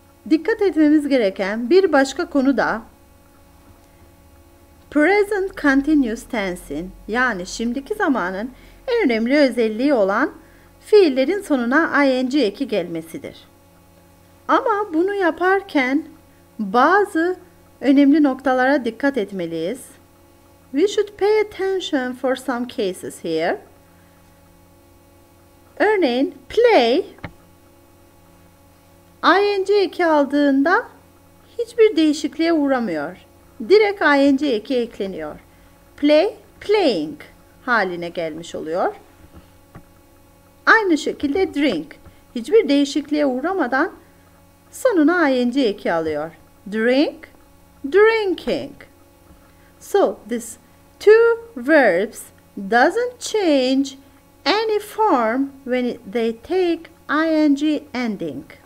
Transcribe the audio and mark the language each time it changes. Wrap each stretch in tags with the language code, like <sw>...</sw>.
<tr>Dikkat etmemiz gereken bir başka konu da present continuous tense'in, yani şimdiki zamanın en önemli özelliği olan fiillerin sonuna ing eki gelmesidir. Ama bunu yaparken bazı önemli noktalara dikkat etmeliyiz.</tr> <en>We should pay attention for some cases here.</en> <tr>Örneğin play ing eki aldığında hiçbir değişikliğe uğramıyor. Direkt ing eki ekleniyor. Play playing haline gelmiş oluyor. Aynı şekilde drink hiçbir değişikliğe uğramadan sonuna ing eki alıyor. Drink, drinking.</tr> <en>So this two verbs doesn't change any form when they take ing ending.</en>